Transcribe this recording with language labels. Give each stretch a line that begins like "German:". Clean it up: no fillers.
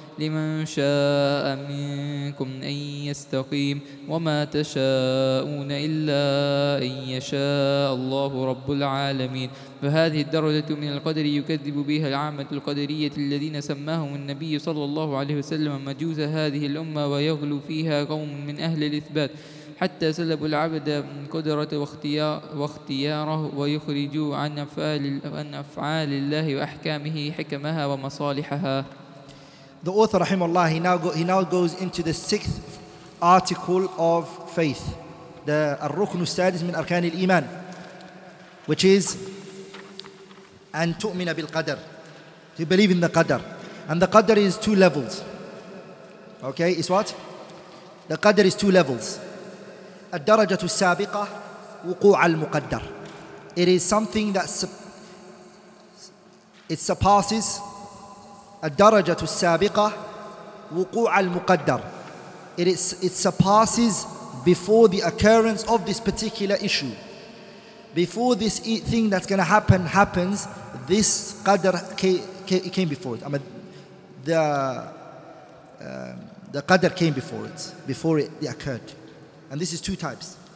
Arabic: لمن شاء منكم أن يستقيم وما تشاءون إلا أن يشاء الله رب العالمين فهذه الدرجة من القدر يكذب بها العامة القدرية الذين سماهم النبي صلى الله عليه وسلم مجوس هذه الأمة ويغلو فيها قوم من أهل الإثبات حتى سلبوا العبد قدرة واختياره ويخرجوا عن أفعال الله وأحكامه حكمها ومصالحها.
English: The author, rahimahullah, he now goes into the sixth article of faith, the al-ruknu sadis min arkan al-iman, which is an tu'mina bil qadr, to believe in the qadr, and the qadr is two levels. Okay, it's what? The qadr is two levels. Ad-darajatu sabiqa wuqu' al-muqaddar. It is something that it surpasses.
Arabic: الدرجة السابقة وقوع المقدر.
English: It surpasses before the occurrence of this particular issue. Before this thing that's going to happen happens, this qadr came before it. I mean, the qadr came before it occurred. And this is two types.